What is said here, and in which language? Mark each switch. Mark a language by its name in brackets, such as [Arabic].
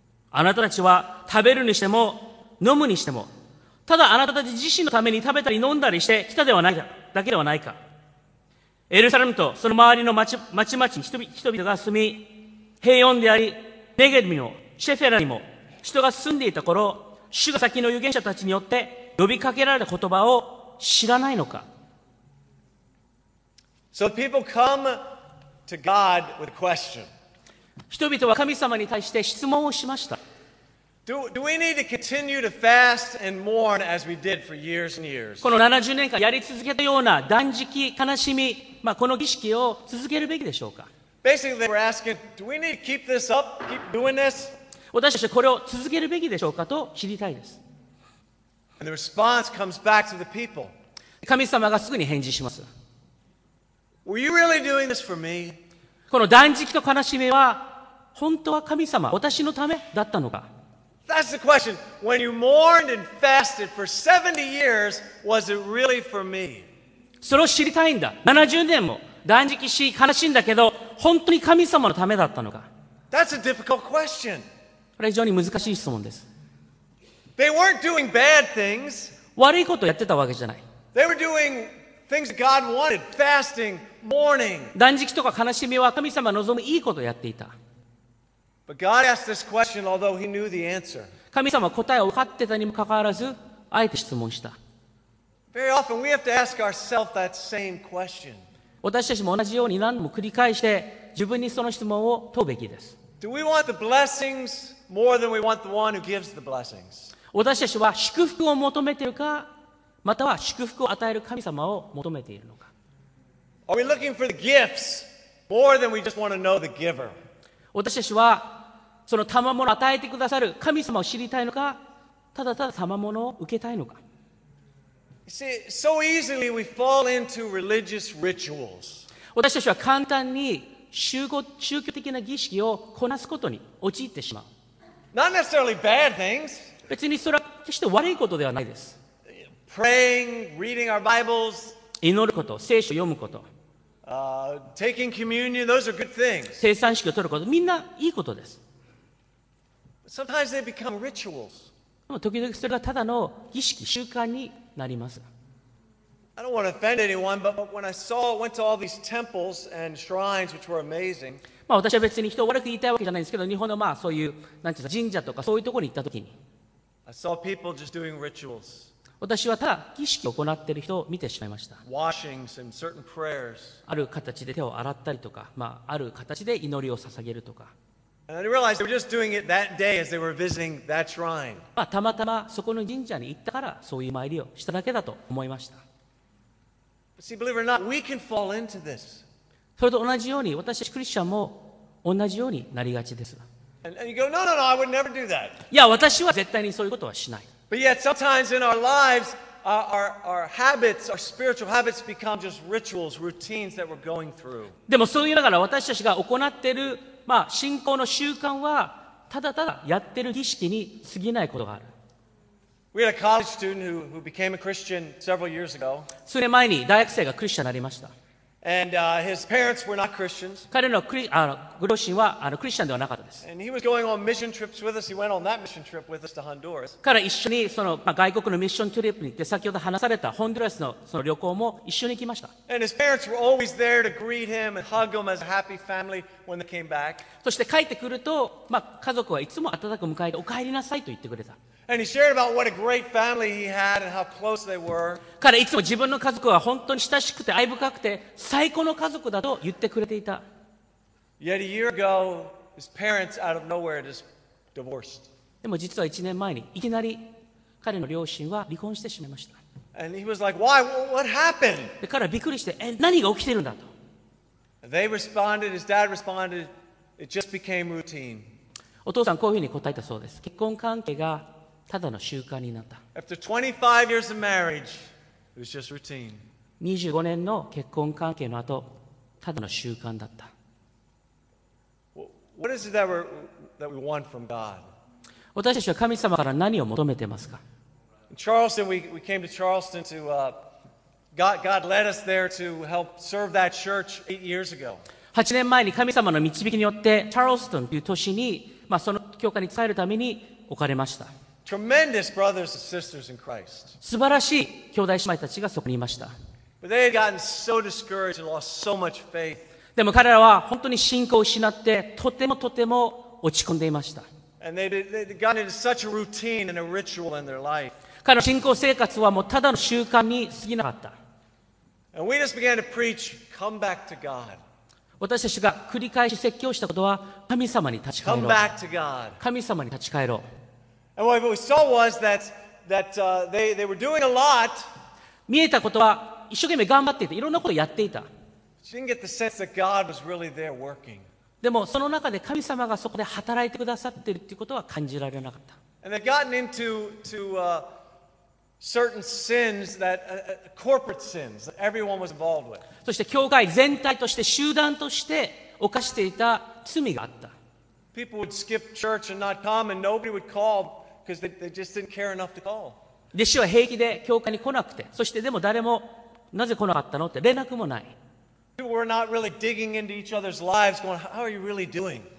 [Japanese] あなたたちは食べるにしても飲むにしても、ただあなたたち自身のために食べたり飲んだりしてきたではないか、だけではないか。エルサレムとその周りの町々に人々が住み、平穏であり、ネゲルミもシェフェラにも人が住んでいた頃、主が先の預言者たちによって呼びかけられた言葉を知らないのか。 [English] So people come to God with a question. [Japanese] 人々は神様に対して質問をしました。 [English] Do we need to continue to fast and mourn as we did for years and years? [Japanese] この70年間やり続けたような断食、悲しみ、まあ、この儀式を続けるべきでしょうか。 [English] Basically, they were asking, do we need to keep this up, keep doing this? [Japanese] 私たちはこれを続けるべきでしょうかと知りたいです。 [English] And the response comes back to the people. [Japanese] 神様がすぐに返事します。 [English] Were you really doing this for me? [Japanese] この断食と悲しみは本当は神様、私のためだったのか。 [English] That's the question. When you mourned and fasted for 70 years, was it really for me? [Japanese] それを知りたいんだ。 70年も断食し悲しんだけど、本当に神様のためだったのか。 [English] That's a difficult question. [Japanese] これは非常に難しい質問です。 [English] They weren't doing bad things. [Japanese] 悪いことをやってたわけじゃない。 [English] They were doing things God wanted, fasting, mourning. [Japanese] 断食とか悲しみは神様望むいいことをやっていた。 [English] But God asked this question, although he knew the answer. [Japanese] 神様は答えを分かってたにもかかわらず、あえて質問した。 [English] Very often we have to ask ourselves that same question. [Japanese] 私たちも同じように何度も繰り返して、自分にその質問を問うべきです。 [English] Do we want the blessings more than we want the one who gives the blessings? [Japanese] 私たちは祝福を求めているか、または祝福を与える神様を求めているのか。 [English] Are we looking for the gifts more than we just want to know the giver? [Japanese] 私たちはその賜物を与えてくださる神様を知りたいのか、ただただ賜物を受けたいのか。 [English] See, so easily we fall into religious rituals. [Japanese] 私たちは簡単に宗教的な儀式をこなすことに陥ってしまう。 [English] Not necessarily bad things. [Japanese] 別にそれは決して悪いことではないです。 [English] Praying, reading our Bibles. [Japanese] 祈ること、聖書を読むこと。 [English] Taking communion, those are good things. [Japanese] 聖餐式を取ること、みんないいことです。 [English] Sometimes they become rituals. [Japanese] でも時々それがただの儀式、習慣になります。 [English] I don't want to offend anyone, but when I saw, went to all these temples and shrines, which were amazing. [Japanese] まあ私は別に人を悪く言いたいわけじゃないんですけど、日本のまあそういうなんていうか神社とかそういうところに行ったときに、 [English] I saw people just doing rituals. [Japanese] 私はただ儀式を行っている人を見てしまいました。 [English] Washings and certain prayers. [Japanese] ある形で手を洗ったりとか、まあ、ある形で祈りを捧げるとか。 [English] And I realized they were just doing it that day as they were visiting that shrine. [Japanese] まあ、たまたまそこの神社に行ったからそういう参りをしただけだと思いました。 [English] See, believe it or not, we can fall into this. [Japanese] それと同じように私たちクリスチャンも同じようになりがちです。 [English] And you go, no, no, no, I would never do that. [Japanese] いや、私は絶対にそういうことはしない。 [English] But yet, sometimes in our lives, our habits, our spiritual habits become just rituals, routines that we're going through. [Japanese] でもそういうながら私たちが行っている、まあ、信仰の習慣はただただやっている儀式に過ぎないことがある。 [English] We had a college student who became a Christian several years ago. [Japanese] 数年前に大学生がクリスチャンになりました。 [English] And his parents were not Christians. [Japanese] 彼のご両親はクリスチャンではなかったです。 [English] And he was going on mission trips with us. He went on that mission trip with us to Honduras. [Japanese] 彼は一緒にその、まあ、外国のミッショントリップに行って、先ほど話されたホンドラスのその旅行も一緒に行きました。 [English] And his parents were always there to greet him and hug him as a happy family when they came back. [Japanese] そして帰ってくると、まあ、家族はいつも温かく迎えて、お帰りなさいと言ってくれた。 [English] And he shared about what a great family he had and how close they were. [Japanese] 彼はいつも自分の家族は本当に親しくて愛深くて最高の家族だと言ってくれていた。 [English] Yet a year ago, his parents out of nowhere just divorced. [Japanese] でも実は1年前にいきなり彼の両親は離婚してしまいました。 [English] And he was like, "Why? What happened?" [Japanese] で彼はびっくりして、え、何が起きてるんだと。 [English] They responded. His dad responded. It just became routine. [Japanese] お父さんこういうふうに答えたそうです。結婚関係がただの習慣になった。 [English] After 25 years of marriage, it was just routine. [Japanese] 25年の結婚関係の後、ただの習慣だった。 [English] What is it that we want from God? [Japanese] 私たちは神様から何を求めてますか？ [English] In Charleston, we came to Charleston to God led us there to help serve that church 8 years ago. [Japanese] 8年前に神様の導きによってチャールストンという都市に、まあ、その教会に仕えるために置かれました。 [English] Tremendous brothers and sisters in Christ. [Japanese] 素晴らしい兄弟姉妹たちがそこにいました。 [English] But they had gotten so discouraged and lost so much faith. [Japanese] でも彼らは本当に信仰を失ってとてもとても落ち込んでいました。 [English] And they'd gotten into such a routine and a ritual in their life. [Japanese] 彼の信仰生活はもうただの習慣に過ぎなかった。 [English] And we just began to preach, come back to God. [Japanese] 私たちが繰り返し説教したことは神様に立ち返ろう。 [English] Come back to God. [Japanese] 神様に立ち返ろう。 [English] And what we saw was that they were doing a lot. [Japanese] 見えたことは一生懸命頑張っていて、いろんなことをやっていた。 [English] But you didn't get the sense that God was really there working. [Japanese] でもその中で神様がそこで働いてくださっているということは感じられなかった。 [English] And they'd gotten into certain sins that corporate sins that everyone was involved with. [Japanese] そして教会全体として集団として犯していた罪があった。 [English] People would skip church and not come, and nobody would call because they just didn't care enough to call. [Japanese] 弟子は平気で教会に来なくて、そしてでも誰もなぜ来なかったのって連絡もない。 [English] People were not really digging into each other's lives, going, "How are you really doing?"